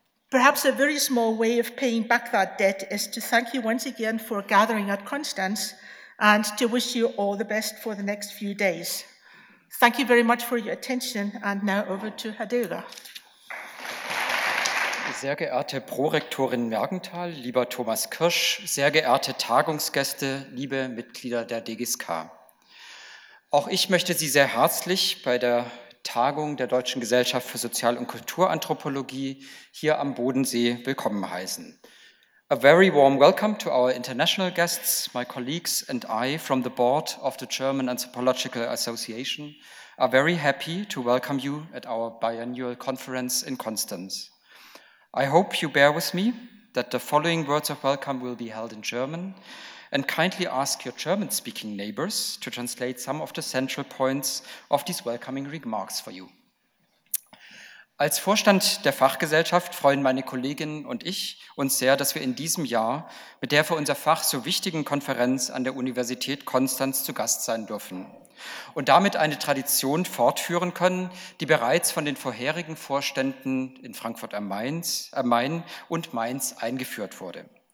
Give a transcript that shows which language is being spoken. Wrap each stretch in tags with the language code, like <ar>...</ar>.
<en>Perhaps a very small way of paying back that debt is to thank you once again for gathering at Constance and to wish you all the best for the next few days. Thank you very much for your attention, and now over to Hadega.</en> <de>Sehr geehrte Prorektorin Mergenthal, lieber Thomas Kirsch, sehr geehrte Tagungsgäste, liebe Mitglieder der DGSK. Auch ich möchte Sie sehr herzlich bei der Tagung der Deutschen Gesellschaft für Sozial- und Kulturanthropologie hier am Bodensee willkommen heißen.</de> <en>A very warm welcome to our international guests, my colleagues and I from the board of the German Anthropological Association are very happy to welcome you at our biannual conference in Constance. I hope you bear with me that the following words of welcome will be held in German, and kindly ask your German-speaking neighbors to translate some of the central points of these welcoming remarks for you.</en> <de>Als Vorstand der Fachgesellschaft freuen meine Kolleginnen und ich uns sehr, dass wir in diesem Jahr mit der für unser Fach so wichtigen Konferenz an der Universität Konstanz zu Gast sein dürfen und damit eine Tradition fortführen können, die bereits von den vorherigen Vorständen in Frankfurt am Main und Mainz eingeführt wurde.</de>